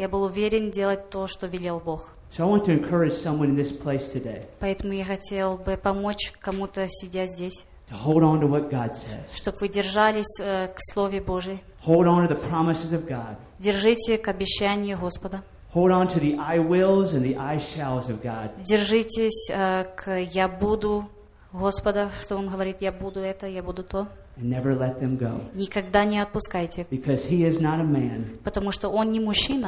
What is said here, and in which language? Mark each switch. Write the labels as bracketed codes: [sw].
[ru] Я был уверен делать то, что велел Бог. [en] So I want to encourage someone in this place today. [ru] Поэтому я хотел бы помочь кому-то, сидя здесь. [en] To hold on to what God says. [ru] Чтобы вы держались к Слову Божьему. [en] Hold on to the promises of God. [ru] Держите к обещанию Господа. [en] Hold on to the I wills and the I shalls of God. [ru] Держитесь к я буду Господа, что Он говорит, я буду это, я буду то. [en] And never let them go. [ru] Никогда не отпускайте. [en] Because He is not a man. [ru] Потому что Он не мужчина.